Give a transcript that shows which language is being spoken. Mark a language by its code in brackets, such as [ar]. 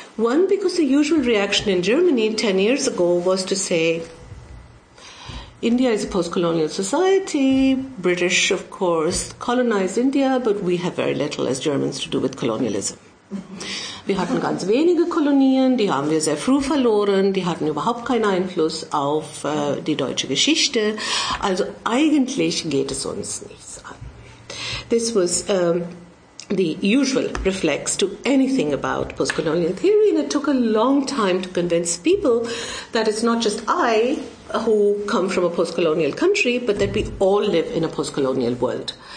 [en] One, because the usual reaction in Germany 10 years ago was to say, India is a post-colonial society, British, of course, colonized India, but we have very little as Germans to do with colonialism. [de] Wir hatten ganz wenige Kolonien, die haben wir sehr früh verloren, die hatten überhaupt keinen Einfluss auf die deutsche Geschichte. Also eigentlich geht es uns nichts an. [en] This was the usual reflex to anything about postcolonial theory, and it took a long time to convince people that it's not just I who come from a postcolonial country, but that we all live in a postcolonial world.